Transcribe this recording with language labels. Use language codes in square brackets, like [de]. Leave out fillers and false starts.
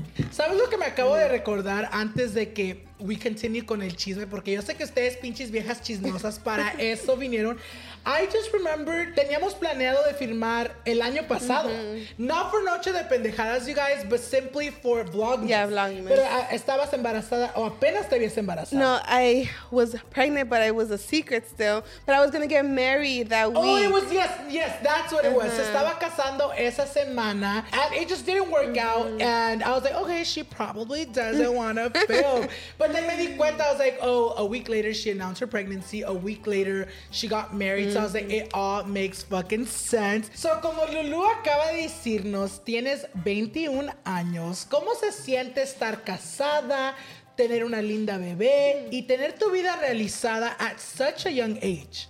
[es] ¿Sabes lo que me acabo de recordar antes de que [en] we continue [es] con el chisme? Porque yo sé que ustedes, pinches viejas chismosas, para eso vinieron. [en] I just remembered, [es] teníamos planeado de firmar el año pasado. [en] Mm-hmm. Not for noche de pendejadas, you guys, but simply for vlogmas. Yeah, vlogmas. [es] Pero estabas embarazada o apenas te habías embarazada. [en] No, I was pregnant, but it was a secret still. But I was going to get married that week. Oh, it was, yes, yes, that's what it was. [es] Se estaba casando esa semana [en] and it just didn't work out. And I was like, okay, she probably doesn't want to film. But then [es] me di cuenta, [en] I was like, oh, a week later she announced her pregnancy. A week later she got married. Mm-hmm. So I was like, it all makes fucking sense. [es] So como Lulu acaba de decirnos, tienes 21 años. ¿Cómo se siente estar casada, tener una linda bebé y tener tu vida realizada [en] at such a young age?